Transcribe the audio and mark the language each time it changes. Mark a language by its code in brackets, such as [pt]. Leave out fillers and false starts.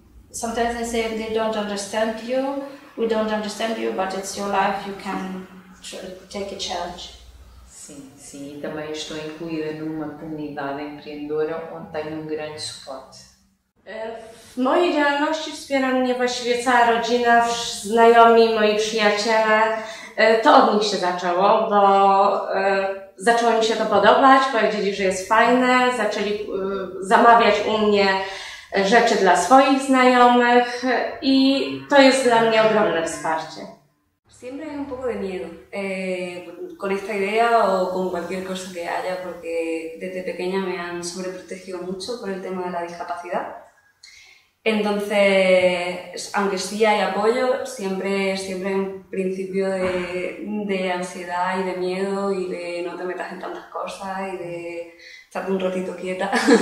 [en] Sometimes they say they don't understand you, we don't understand you, but it's your life, you can take a charge. [pt] Sim, também estou incluída numa comunidade empreendedora onde tenho grande suporte. [pl] W mojej działalności wspiera mnie właściwie cała rodzina, znajomi, moi przyjaciele. To od nich się zaczęło, bo zaczęło mi się to podobać, powiedzieli, że jest fajne, zaczęli zamawiać u mnie rzeczy dla swoich znajomych i to jest dla mnie ogromne wsparcie. [es] Siempre hay un poco de miedo con esta idea o con cualquier cosa que haya, porque desde pequeña me han sobreprotegido mucho por el tema de la discapacidad. Entonces, aunque sí hay apoyo, siempre hay un principio de ansiedad y de miedo y de no te metas en tantas cosas y de estar un ratito quieta.